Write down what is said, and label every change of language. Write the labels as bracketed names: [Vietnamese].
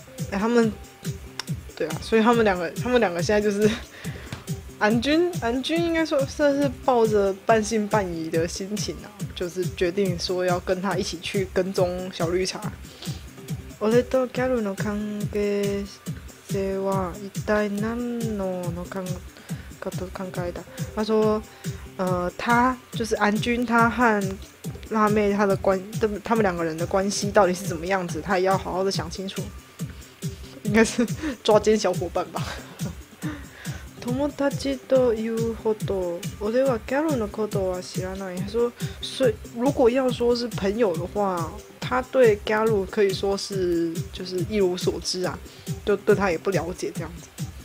[Chinese] 他们对啊，所以他们两个现在就是安军应该说算是抱着半信半疑的心情啊。就是决定说要跟他一起去跟踪小绿茶。 [Japanese] 俺とギャルの関係性は一体何の関係と考えた？ [Chinese] 他说，他就是安君，他和辣妹他们两个人的关系到底是怎么样子？他也要好好的想清楚。应该是抓奸小伙伴吧。 [Japanese] 友達というほど、俺はギャルのことは知らない。 [Chinese] 他说，所以如果要说是朋友的话，他对ギャル可以说是就是一无所知啊，就对他也不了解这样子。